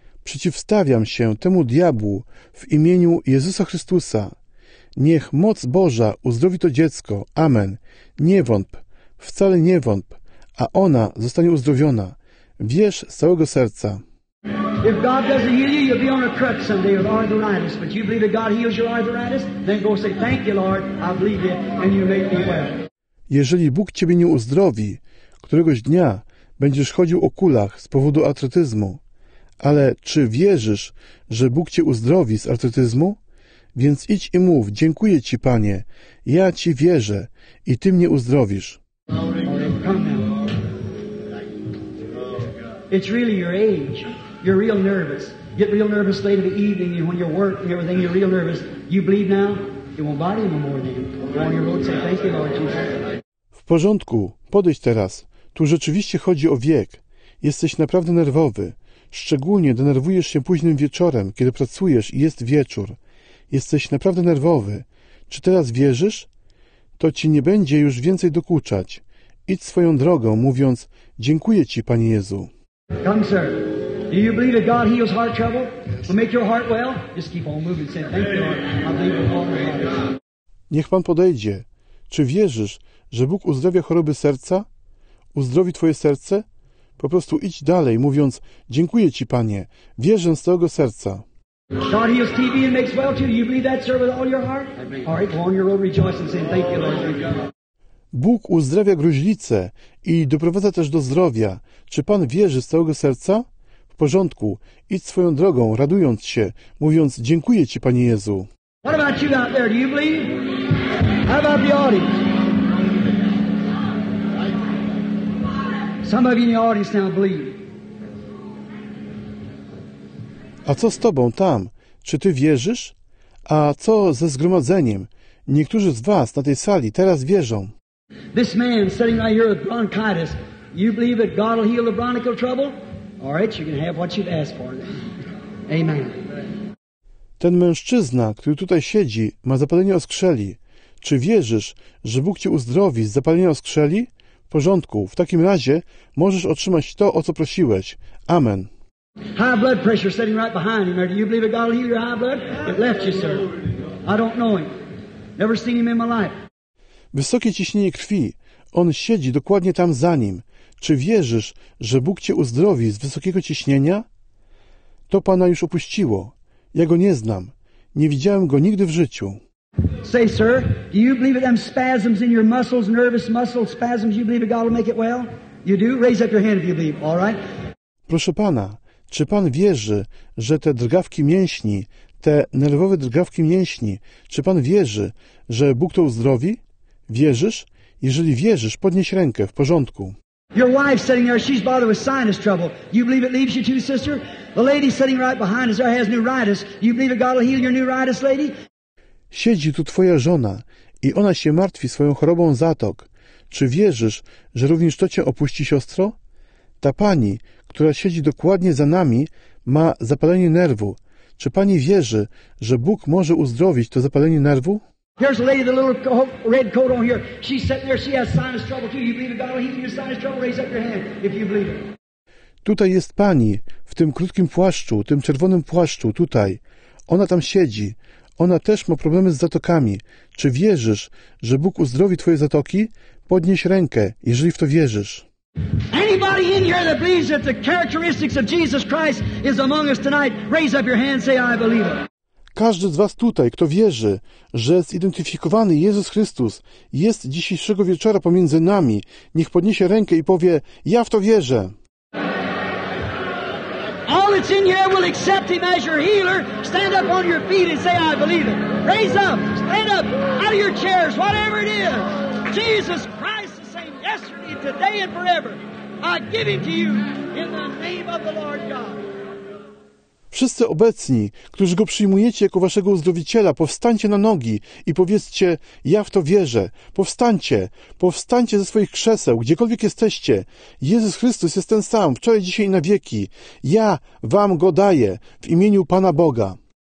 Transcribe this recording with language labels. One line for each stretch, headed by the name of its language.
Polish: Przeciwstawiam się temu diabłu w imieniu Jezusa Chrystusa. Niech moc Boża uzdrowi to dziecko. Amen. Nie wątp. Wcale nie wątp. A ona zostanie uzdrowiona. Wierz z całego serca.
English: If God doesn't heal you, you'll be on a crutch someday with arthritis. But you believe that God heals your arthritis? Then go say, thank you, Lord. I believe it and you make me well.
Polish: Jeżeli Bóg ciebie nie uzdrowi, któregoś dnia będziesz chodził o kulach z powodu artrytyzmu. Ale czy wierzysz, że Bóg cię uzdrowi z artrytyzmu? Więc idź i mów, dziękuję ci, Panie, ja ci wierzę i ty mnie uzdrowisz.
English: It's really your age. You're real nervous. Get real nervous late in the evening when you're working and everything, you're real nervous. You bleed now? It won't bother you no more then. Go on your road and say thank you, Lord Jesus.
Polish: W porządku, podejdź teraz. Tu rzeczywiście chodzi o wiek. Jesteś naprawdę nerwowy. Szczególnie denerwujesz się późnym wieczorem, kiedy pracujesz i jest wieczór. Jesteś naprawdę nerwowy. Czy teraz wierzysz? To ci nie będzie już więcej dokuczać. Idź swoją drogą, mówiąc, dziękuję ci, Panie Jezu.
English: Come, sir. Do you believe that God heals heart trouble? Will make your heart well? Just keep on moving. Say, thank you, Lord. I believe with all my heart.
Polish: Niech Pan podejdzie. Czy wierzysz, że Bóg uzdrawia choroby serca? Uzdrowi twoje serce? Po prostu idź dalej, mówiąc dziękuję ci, Panie, wierzę z całego serca.
English: God heals TB and makes well too. You believe that, sir, with all your heart? All right, go on your road rejoicing and saying thank you, Lord.
Polish: Bóg uzdrawia gruźlicę i doprowadza też do zdrowia. Czy Pan wierzy z całego serca? W porządku, idź swoją drogą, radując się, mówiąc dziękuję ci, Panie Jezu.
English: What about you out there? Do you believe? How about the audience? Some of you in the audience now believe.
Polish: A co z tobą tam? Czy ty wierzysz? A co ze zgromadzeniem? Niektórzy z was na tej sali teraz wierzą.
English: This man sitting right here with bronchitis, you believe that God will heal the bronchial trouble? All right, you can have what you've asked for. Amen.
Polish: Ten mężczyzna, który tutaj siedzi, ma zapalenie oskrzeli. Czy wierzysz, że Bóg cię uzdrowi z zapalenia oskrzeli? W porządku. W takim razie możesz otrzymać to, o co prosiłeś. Amen.
English: High blood pressure sitting right behind him. Do you believe that God will heal your high blood? It left you, sir. I don't know him. Never seen him in my life.
Polish: Wysokie ciśnienie krwi. On siedzi dokładnie tam za nim. Czy wierzysz, że Bóg cię uzdrowi z wysokiego ciśnienia? To pana już opuściło. Ja go nie znam. Nie widziałem go nigdy w życiu.
English: Say, sir, do you believe that them spasms in your muscles, nervous muscle spasms, you believe that God will make it well? You do? Raise up your hand if you believe, all right?
Polish: Proszę pana, czy pan wierzy, że te drgawki mięśni, te nerwowe drgawki mięśni, czy pan wierzy, że Bóg to uzdrowi? Wierzysz? Jeżeli wierzysz, podnieś rękę, w porządku.
English: Your wife sitting there, she's bothered with sinus trouble. You believe it leaves you too, sister? The lady sitting right behind us there has neuritis. You believe that God will heal your neuritis, lady?
Polish: Siedzi tu twoja żona i ona się martwi swoją chorobą zatok. Czy wierzysz, że również to cię opuści, siostro? Ta pani, która siedzi dokładnie za nami, ma zapalenie nerwu. Czy pani wierzy, że Bóg może uzdrowić to zapalenie nerwu?
English: Here's a lady, the little red coat on here. She's sitting there, she has sinus trouble too. You believe that God will heal your sinus trouble? Raise up your hand if you believe it.
Polish: Tutaj jest pani, w tym krótkim płaszczu, tym czerwonym płaszczu, tutaj. Ona tam siedzi. Ona też ma problemy z zatokami. Czy wierzysz, że Bóg uzdrowi twoje zatoki? Podnieś rękę, jeżeli w to wierzysz.
English: Anybody in here that believes that the characteristics of Jesus Christ is among us tonight, raise up your hand, say I believe it.
Polish: Każdy z was tutaj, kto wierzy, że zidentyfikowany Jezus Chrystus jest dzisiejszego wieczora pomiędzy nami, niech podniesie rękę i powie, ja w to wierzę.
English: All that's in here will accept him as your healer. Stand up on your feet and say, I believe it. Raise up, stand up, out of your chairs, whatever it is. Jesus Christ is saying yesterday, today and forever. I give him to you in the name of the Lord God.
Polish: Wszyscy obecni, którzy go przyjmujecie jako waszego uzdrowiciela, powstańcie na nogi i powiedzcie, ja w to wierzę. Powstańcie, powstańcie ze swoich krzeseł, gdziekolwiek jesteście. Jezus Chrystus jest ten sam, wczoraj, dzisiaj i na wieki. Ja wam go daję w imieniu Pana Boga.